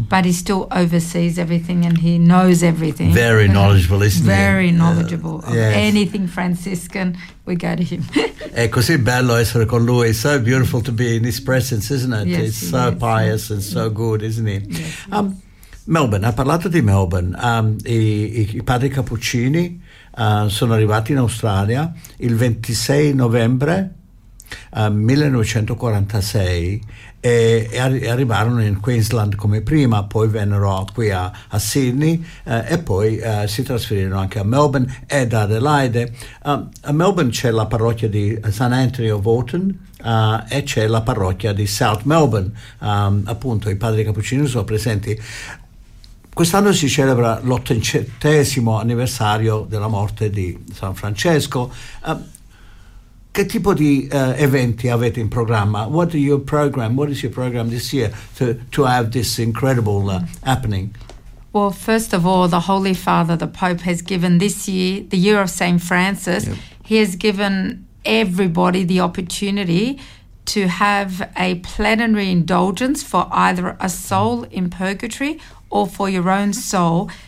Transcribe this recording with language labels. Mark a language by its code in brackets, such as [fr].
[en] but he still oversees everything and he knows everything. Very knowledgeable, isn't he? Very knowledgeable. Anything Franciscan, we go to him. [it] È così bello essere con lui. [en] So beautiful to be in his presence, isn't it? Yes, he's so pious and so good, isn't he? Yes. [it] Melbourne, ha parlato di Melbourne, i padri Cappuccini sono arrivati in Australia il 26 novembre 1946 e arrivarono in Queensland come prima, poi vennero qui a Sydney e poi si trasferirono anche a Melbourne e ad Adelaide. A Melbourne c'è la parrocchia di St. Anthony of Wotton e c'è la parrocchia di South Melbourne, appunto i padri Cappuccini sono presenti. Quest'anno si celebra l'ottantesimo anniversario della morte di San Francesco. Che tipo di eventi avete in programma? [en] What is your program this year to have this incredible happening? Well, first of all, the Holy Father, the Pope, has given this year, the year of St. Francis, he has given everybody the opportunity to have a plenary indulgence for either a soul in purgatory or for your own soul.